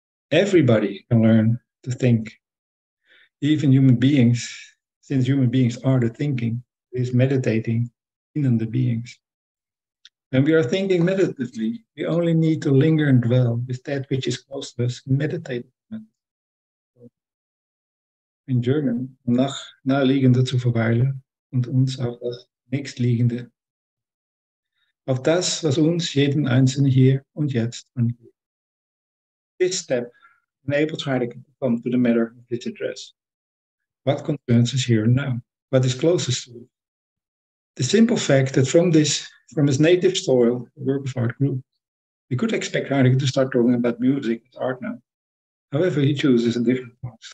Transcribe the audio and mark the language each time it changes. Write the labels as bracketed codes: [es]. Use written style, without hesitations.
[en] Everybody can learn to think. Even human beings, since human beings are the thinking, is meditating in the beings. When we are thinking meditatively, we only need to linger and dwell with that which is close to us, meditate. In German, [de] nach naheliegende zu verweilen und uns auf das nächstliegende. Auf das, was uns jeden einzelnen hier und jetzt angeht. [en] This step enables Heidegger to come to the matter of his address. What concerns us here and now? What is closest to us? The simple fact that from his native soil, the work of art grew. We could expect Heidegger to start talking about music and art now. However, he chooses a different path.